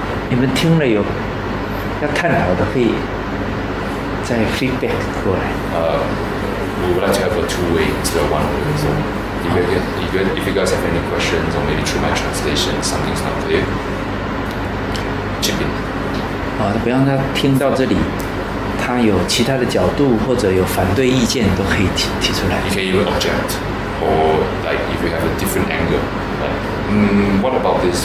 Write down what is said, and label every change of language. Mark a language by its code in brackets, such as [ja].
[zh] You 们听了有要探讨的可以再 feedback 过来。 [en] We would like to have a two-way instead of one-way. So if you guys have any questions, or maybe through my translation, something's not clear, chip in. [zh] 啊，不要让他听到这里，他有其他的角度或者有反对意见都可以提出来。 [en] You can even object, or like if you have a different angle, what about this?